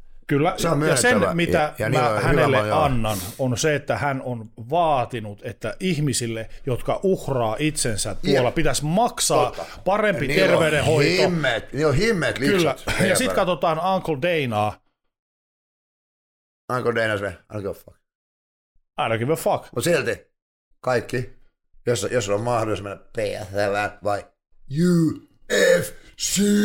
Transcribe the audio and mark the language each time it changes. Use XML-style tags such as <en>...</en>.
<fi>Kyllä, se ja sen mitä ja mä hänelle annan, on se, että hän on vaatinut, että ihmisille, jotka uhraa itsensä tuolla, pitäisi maksaa parempi ja terveydenhoito. Niillä on himmeet liikset. Kyllä, ja sitten katsotaan Uncle Danaa.</fi> <en>Uncle Dana se, I don't give a fuck.</en> <fi>Mutta silti, kaikki, jos on mahdollisuus mennä PSL vai UFC.</fi>